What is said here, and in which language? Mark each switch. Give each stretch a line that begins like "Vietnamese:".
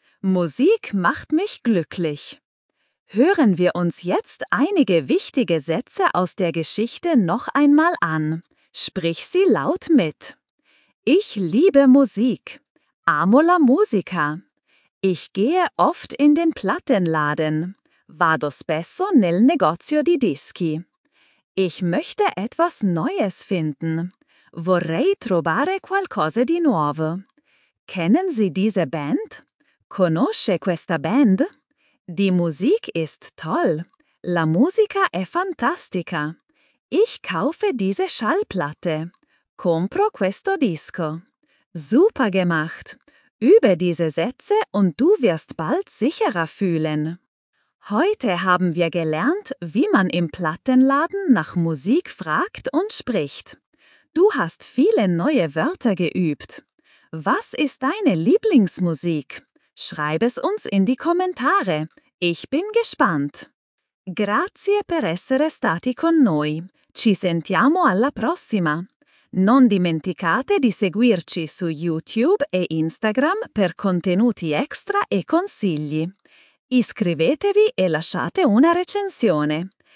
German: Musik macht mich glücklich. Hören wir uns jetzt einige wichtige Sätze aus der Geschichte noch einmal an. Sprich sie laut mit. Ich liebe Musik.
Italian: Amo la musica.
German: Ich gehe oft in den Plattenladen.
Italian: Vado spesso nel negozio di dischi.
German: Ich möchte etwas Neues finden.
Italian: Vorrei trovare qualcosa di nuovo.
German: Kennen Sie diese Band?
Italian: Conosce questa band?
German: Die Musik ist toll.
Italian: La musica è fantastica.
German: Ich kaufe diese Schallplatte.
Italian: Compro questo disco.
German: Super gemacht. Übe diese Sätze und du wirst bald sicherer fühlen. Heute haben wir gelernt, wie man im Plattenladen nach Musik fragt und spricht. Du hast viele neue Wörter geübt. Was ist deine Lieblingsmusik? Schreib es uns in die Kommentare. Ich bin gespannt.
Italian: Grazie per essere stati con noi. Ci sentiamo alla prossima. Non dimenticate di seguirci su YouTube e Instagram per contenuti extra e consigli. Iscrivetevi e lasciate una recensione.